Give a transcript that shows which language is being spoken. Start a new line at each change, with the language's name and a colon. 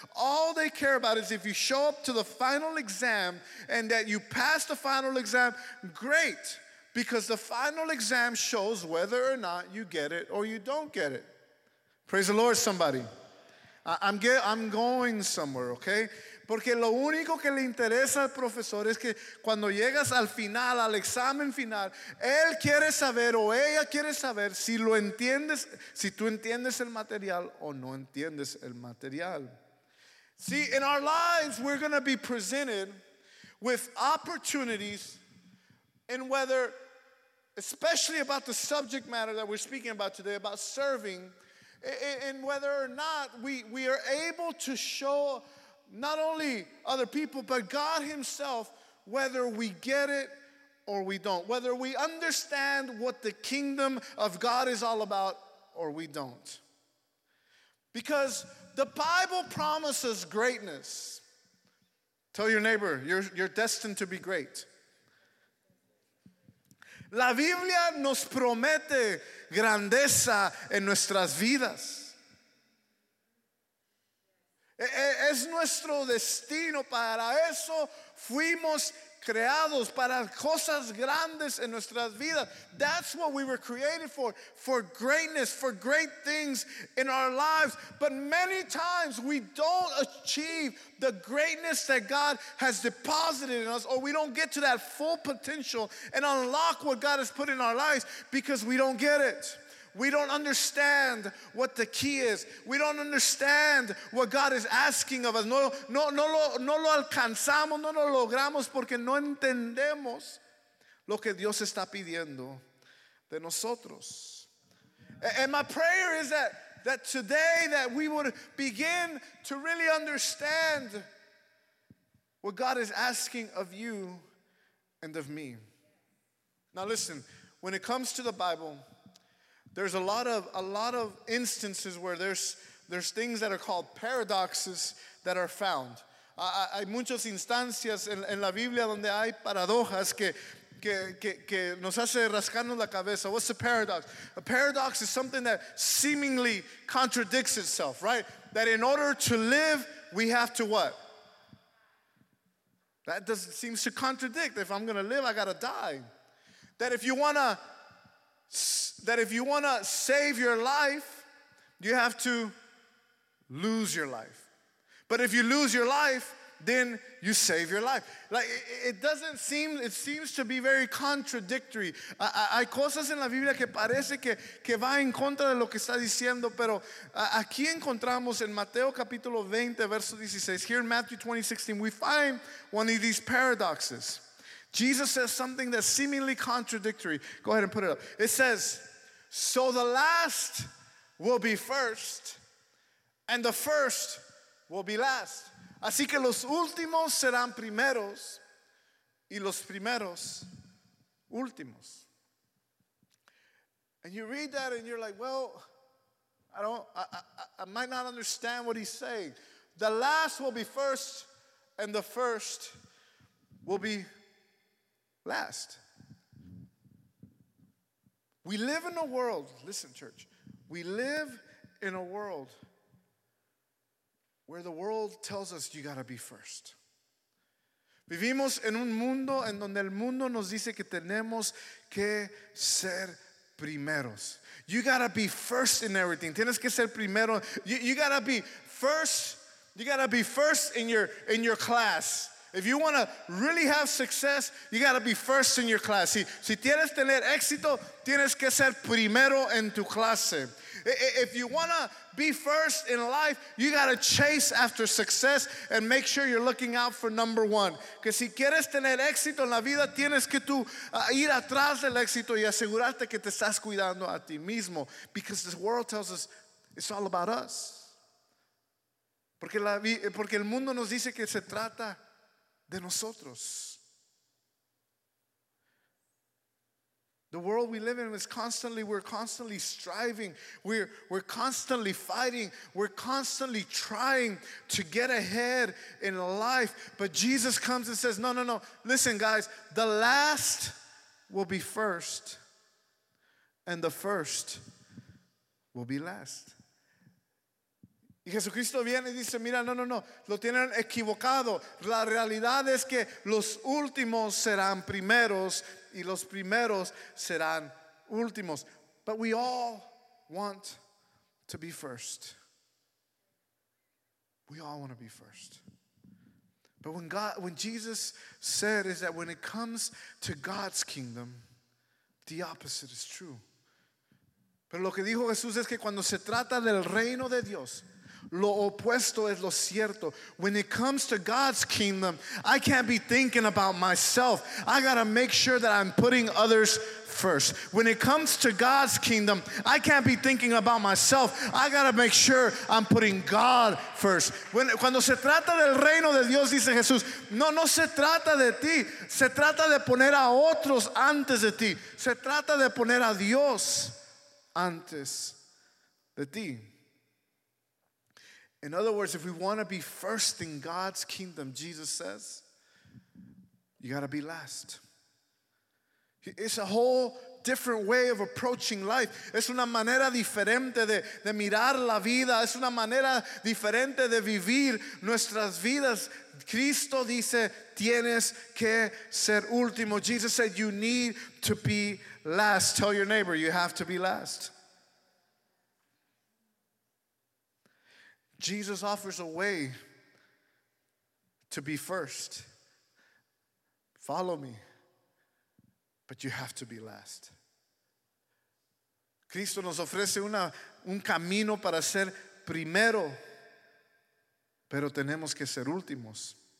English: All they care about is if you show up to the final exam and that you pass the final exam, great. Because the final exam shows whether or not you get it or you don't get it. Praise the Lord, somebody. I'm going somewhere, okay?
Spanish: Porque lo único que le interesa al profesor es que cuando llegas al final, al examen final, él quiere saber o ella quiere saber si lo entiendes, si tú entiendes el material o no entiendes el material.
English: See, in our lives, we're going to be presented with opportunities in whether, especially about the subject matter that we're speaking about today, about serving, and whether or not we are able to show not only other people, but God himself, whether we get it or we don't. Whether we understand what the kingdom of God is all about or we don't. Because the Bible promises greatness. Tell your neighbor, you're destined to be great.
Spanish: La Biblia nos promete grandeza en nuestras vidas. Es nuestro destino, para eso fuimos creados, para cosas grandes en nuestras vidas.
English: That's what we were created for greatness, for great things in our lives. But many times we don't achieve the greatness that God has deposited in us, or we don't get to that full potential and unlock what God has put in our lives because we don't get it. We don't understand what the key is. We don't understand what God is asking of us.
Spanish: No lo alcanzamos, no lo logramos porque no entendemos lo que Dios está pidiendo de nosotros.
English: And my prayer is that today that we would begin to really understand what God is asking of you and of me. Now listen, when it comes to the Bible, there's a lot of instances where there's things that are called paradoxes that are found.
Spanish: Hay muchas instancias en la Biblia donde hay paradojas que nos hace rascarnos la cabeza.
English: What's a paradox? A paradox is something that seemingly contradicts itself, right? That in order to live, we have to what? That doesn't seem to contradict. If I'm going to live, I got to die. That if you want to save your life, you have to lose your life. But if you lose your life, then you save your life. Like, it doesn't seem, it seems to be very contradictory.
Spanish: Hay cosas en la Biblia que parece que va en contra de lo que está diciendo, pero aquí encontramos en Mateo capítulo 20, verso 16.
English: Here in Matthew 20, 16, we find one of these paradoxes. Jesus says something that's seemingly contradictory. Go ahead and put it up. It says, so the last will be first, and the first will be last.
Spanish: Así que los últimos serán primeros y los primeros últimos.
English: And you read that and you're like, well, I might not understand what he's saying. The last will be first and the first will be last. We live in a world, listen, church, we live in a world where the world tells us you gotta be first.
Spanish: Vivimos en un mundo en donde el mundo nos dice que tenemos que ser primeros.
English: You gotta be first in everything.
Spanish: Tienes que ser primero.
English: You gotta be first. You gotta be first in your class. If you want to really have success, you got to be first in your class.
Spanish: Si tienes tener éxito, tienes que ser primero en tu clase.
English: If you want to be first in life, you got to chase after success and make sure you're looking out for number one.
Spanish: Que si quieres tener éxito en la vida, tienes que tú ir atrás del éxito y asegurarte que te estás cuidando a ti mismo.
English: Because this world tells us it's all about us.
Spanish: Porque el mundo nos dice que se trata de nosotros.
English: The world we live in is constantly, we're constantly striving. We're constantly fighting. We're constantly trying to get ahead in life. But Jesus comes and says, no. Listen, guys, the last will be first, and the first will be last.
Spanish: Y Jesucristo viene y dice, mira, no, lo tienen equivocado. La realidad es que los últimos serán primeros y los primeros serán últimos.
English: But we all want to be first. We all want to be first. But when Jesus said is that when it comes to God's kingdom, the opposite is true.
Spanish: Pero lo que dijo Jesús es que cuando se trata del reino de Dios, lo opuesto es lo cierto.
English: When it comes to God's kingdom, I can't be thinking about myself. I gotta make sure that I'm putting others first. When it comes to God's kingdom, I can't be thinking about myself. I gotta make sure I'm putting God first.
Spanish: Cuando se trata del reino de Dios, dice Jesús, no se trata de ti. Se trata de poner a otros antes de ti. Se trata de poner a Dios antes de ti.
English: In other words, if we want to be first in God's kingdom, Jesus says, you got to be last. It's a whole different way of approaching life.
Spanish: Es una manera diferente de mirar la vida. Es una manera diferente de vivir nuestras vidas. Cristo dice, tienes que ser último.
English: Jesus said, you need to be last. Tell your neighbor, you have to be last. Jesus offers a way to be first. Follow me, but you have to be last.
Spanish: Cristo nos ofrece un camino para ser primero, pero tenemos que ser últimos.